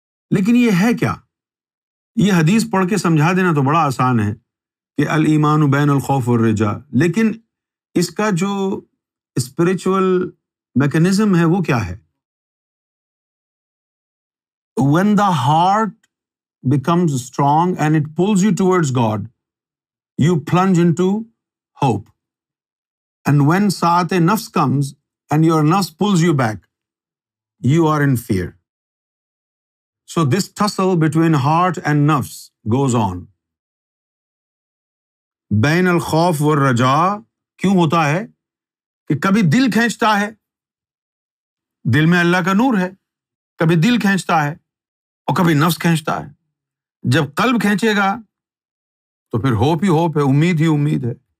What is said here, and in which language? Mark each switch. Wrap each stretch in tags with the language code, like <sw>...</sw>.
<ur>لیکن یہ ہے کیا؟ یہ حدیث پڑھ کے سمجھا دینا تو بڑا آسان ہے کہ الایمان بین الخوف والرجاء، لیکن اس کا جو اسپریچول میکانزم ہے وہ کیا ہے؟</ur> <en>When the heart becomes strong and it pulls you towards God, you plunge into hope. And when saat-e-nafs comes and your nafs pulls you back, you are in fear. So this tussle between heart and nafs goes on.</en> <ur>بین الخوف والرجاء کیوں ہوتا ہے؟ کہ کبھی دل کھینچتا ہے، دل میں اللہ کا نور ہے، کبھی دل کھینچتا ہے اور کبھی نفس کھینچتا ہے۔ جب قلب کھینچے گا تو پھر ہوپ ہی ہوپ ہے، امید ہی امید ہے،</ur>